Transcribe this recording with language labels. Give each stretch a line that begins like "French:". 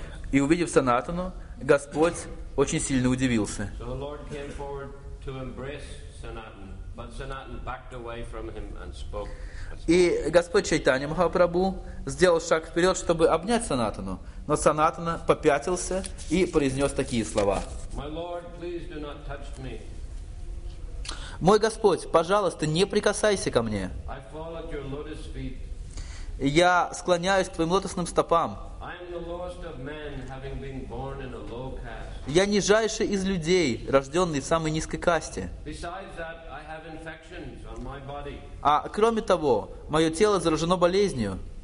Russian: И, увидев Санатану, Господь очень сильно удивился.
English: So the Lord came forward to embrace Sanatan, but Sanatan backed away from him and spoke.
Russian: И Господь Чайтанья Махапрабху сделал шаг вперед, чтобы обнять Санатану, но Санатана попятился и произнес такие слова.
English: My Lord, please do not touch me.
Russian: Мой Господь, пожалуйста, не прикасайся ко мне.
English: I fall at your lotus feet.
Russian: Я склоняюсь к твоим лотосным стопам.
English: I am the lowest of men, having been born in a low caste.
Russian: Я нижайший из людей, рожденный в самой низкой касте.
English: That,
Russian: а кроме того, мое тело заражено болезнью.